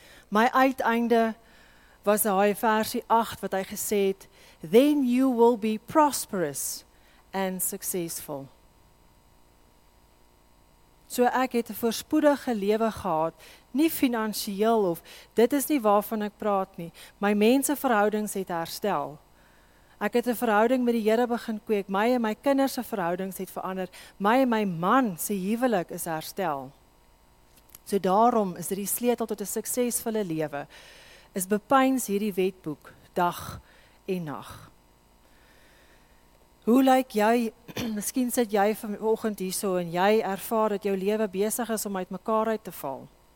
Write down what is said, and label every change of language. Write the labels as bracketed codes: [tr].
[af] My uiteinde was daai versie 8 wat hy gesê het, [en] then you will be prosperous and successful. [af] So ek het 'n voorspoedige lewe gehad, nie finansieel of dit is nie waarvan ek praat nie. My menseverhoudings het herstel. Ek het 'n verhouding met die Here begin kweek. My en my kinders se verhoudings het verander. My en my man se huwelik is herstel. So daarom is dit die sleutel tot 'n suksesvolle lewe. Is bepeins hierdie wetboek dag en nag. Hoe lyk jy? Miskien sit jy vanoggend hierso en jy ervaar dat jou lewe besig is om uitmekaar uit te val.